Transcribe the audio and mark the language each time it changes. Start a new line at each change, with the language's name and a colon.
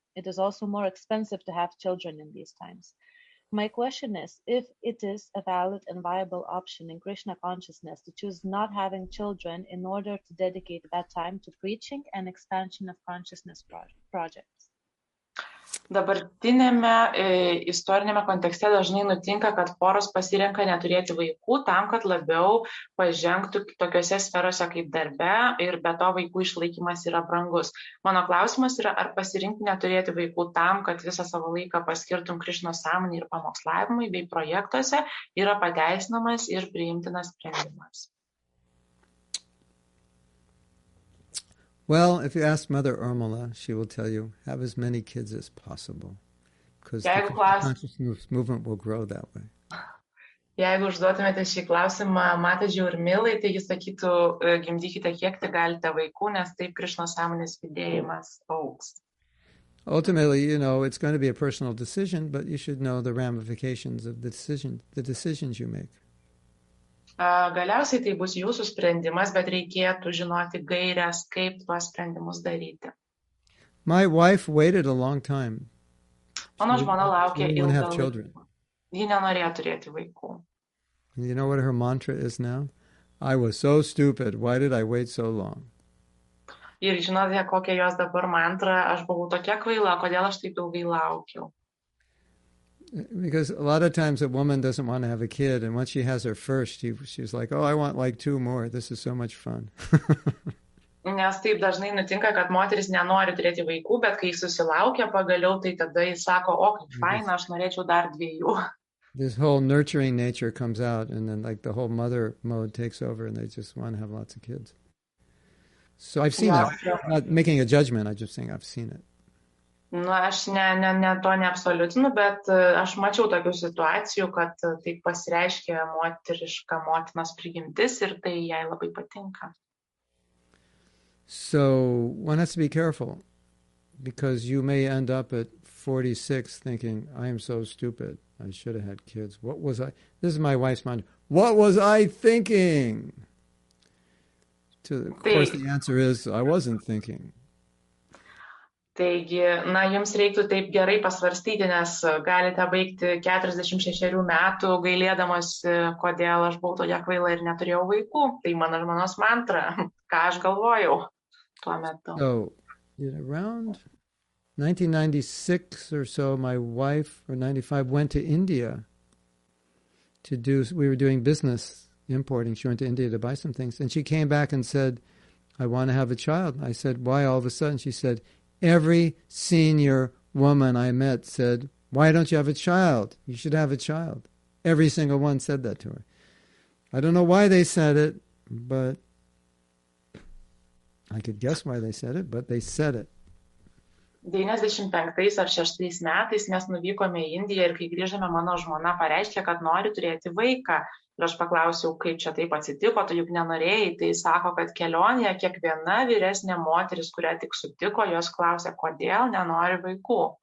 English: It is also more expensive to have children in these times. My question is, if it is a valid and viable option in Krishna consciousness to choose not having children in order to dedicate that time to preaching and expansion of consciousness projects.
Lithuanian: Dabartinėme istorinėme kontekste dažnai nutinka, kad poros pasirenka neturėti vaikų tam, kad labiau pažengtų tokiose sferose kaip darbe ir be to vaikų išlaikymas yra brangus. Mano klausimas yra, ar pasirinkti neturėti vaikų tam, kad visą savo laiką paskirtum Krišnos sąmonį ir pamokslavimui bei projektuose yra pateisinamas ir priimtinas sprendimas.
English: Well, if you ask Mother Irmala, she will tell you, have as many kids as possible. Because the consciousness movement will grow that way.
Lithuanian: Jeigu užduotumėte šį klausimą Mata Džiaurmilai, tai jis sakytų, gimdykite kiek tai galite vaikų, nes taip Krišnos sąmonės judėjimas augs.
English: Ultimately, you know, it's going to be a personal decision, but you should know the ramifications of the decisions you make.
Lithuanian: Galiausiai tai bus jūsų sprendimas, bet reikėtų žinoti gairias, kaip tuos sprendimus daryti.
English: My wife waited a long time.
Lithuanian: Mano žmona laukė ilgą laiką. Ji nenorėjo turėti vaikų.
English: You know what her mantra is now? I was so stupid. Why did I wait so long?
Lithuanian: Ir žinote, kokia jos dabar mantra? Aš buvau tokia kvaila, kodėl aš taip ilgai laukiau?
English: Because a lot of times a woman doesn't want to have a kid, and once she has her first, she's like, oh, I want like two more. This is so much fun.
Lithuanian: Nes taip dažnai nutinka, kad moteris nenori turėti vaikų, bet kai susilaukia pagaliau, tai tada jis sako, o, kaip faina, aš norėčiau dar dviejų.
English: This whole nurturing nature comes out, and then like the whole mother mode takes over, and they just want to have lots of kids. So I've seen that. I'm not making a judgment, I'm just saying I've seen it.
Lithuanian: Nu, aš ne to neabsoliutinu, bet aš mačiau tokių situacijų, kad taip pasireiškia moteriška motinos prigimtis ir tai jai labai patinka.
English: So one has to be careful, because you may end up at 46 thinking, I am so stupid, I should have had kids. What was I, this is my wife's mind, what was I thinking? Of course, the answer is, I wasn't thinking.
Lithuanian: Taigi, na, jums reiktų taip gerai pasvarstyti, nes galite baigti 46 metų gailėdamas, kodėl aš buvau tokia kvaila ir neturėjau vaikų. Tai mano žmonos mantra, ką aš galvojau tuo metu.
English: So, in around 1996 or so, my wife, or 95, went to India to do, we were doing business importing. She went to India to buy some things, and she came back and said, I want to have a child. I said, why all of a sudden? She said, every senior woman I met said, why don't you have a child? You should have a child. Every single one said that to her. I don't know why they said it, but I could guess why they said it, but they said it.
Lithuanian: 95 ar 6 metais mes nuvykome į Indiją ir kai grįžome, mano žmona pareiškė, kad nori turėti vaiką. Ir aš paklausiau, kaip čia taip atsitiko, tu juk nenorėjai. Tai sako, kad kelionėje kiekviena vyresnė moteris, kurią tik sutiko, jos klausė, kodėl nenori vaikų.